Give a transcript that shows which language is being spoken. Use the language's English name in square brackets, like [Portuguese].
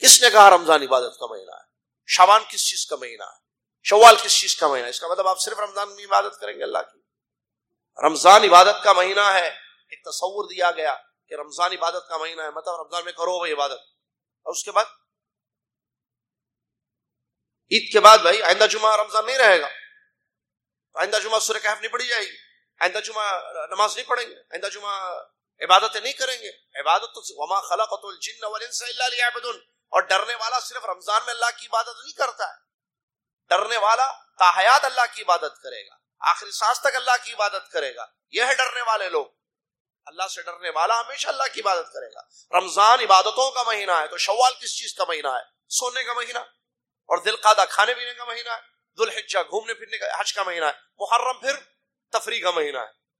[Urdu] کس نے کہا رمضان عبادت کا مہینہ ہے؟ شعبان کس چیز کا مہینہ ہے؟ شوال کس چیز کا مہینہ ہے؟ اس کا مطلب آپ صرف رمضان میں عبادت کریں گے اللہ کی؟ رمضان عبادت کا مہینہ ہے، ایک تصور دیا گیا کہ رمضان عبادت کا مہینہ ہے، مطلب رمضان میں کرو بھائی عبادت، اور اس کے بعد عید کے بعد بھائی آئندہ جمعہ رمضان نہیں رہے گا، آئندہ جمعہ سورہ کہف نہیں پڑھی جائے گی، آئندہ جمعہ نماز نہیں پڑھیں گے، آئندہ جمعہ عبادتیں نہیں کریں گے. عبادت تو [Arabic] وما خلقت الجن والانس الا ليعبدون. [Urdu] اور ڈرنے والا صرف رمضان میں اللہ کی عبادت نہیں کرتا ہے، ڈرنے والا تاحیات اللہ کی عبادت کرے گا، آخری سانس تک اللہ کی عبادت کرے گا. یہ ہے ڈرنے والے لوگ، اللہ سے ڈرنے والا ہمیشہ اللہ کی عبادت کرے گا. رمضان عبادتوں کا مہینہ ہے، تو شوال کس چیز کا مہینہ ہے؟ سونے کا مہینہ، اور ذوالقعدہ کھانے پینے کا مہینہ ہے، ذوالحجہ گھومنے پھرنے کا حج کا مہینہ ہے، محرم پھر تفریح کا مہینہ ہے.